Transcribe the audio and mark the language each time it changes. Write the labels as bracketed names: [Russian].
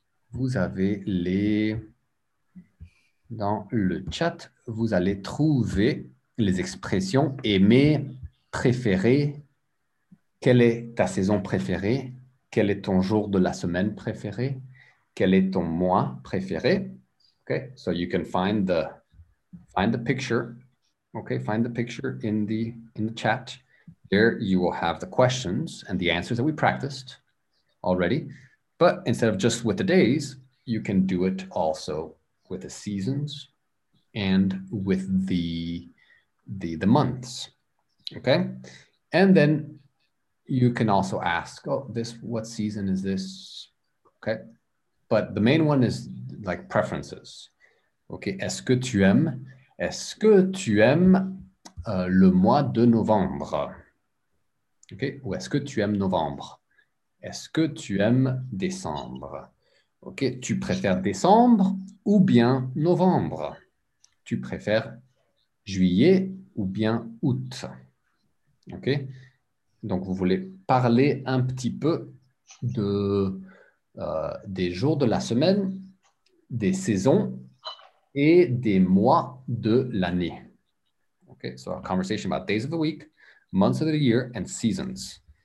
[French] Vous avez les... Dans le chat, vous allez trouver... Les expressions aimer, préférer, quelle est ta saison préférée, quel est ton jour de la semaine préféré, quel est ton mois préféré. [English] OK, so you can find the picture. OK, find the picture in the chat Here you will have the questions and the answers that we practiced already. But instead of just with the days, you can do it also with the seasons and with the months. Okay? And then you can also ask, oh, this, what season is this? Okay? But the main one is like preferences. [French] Okay, est-ce que tu aimes le mois de novembre? Okay, ou est-ce que tu aimes novembre? Est-ce que tu aimes décembre? Okay, tu préfères décembre ou bien novembre? Tu préfères juillet ou bien août? Okay, donc vous voulez parler un petit peu de des jours de la semaine, des saisons et des mois de l'année. [English] Okay, so a conversation about days of the week, months of the year, and seasons.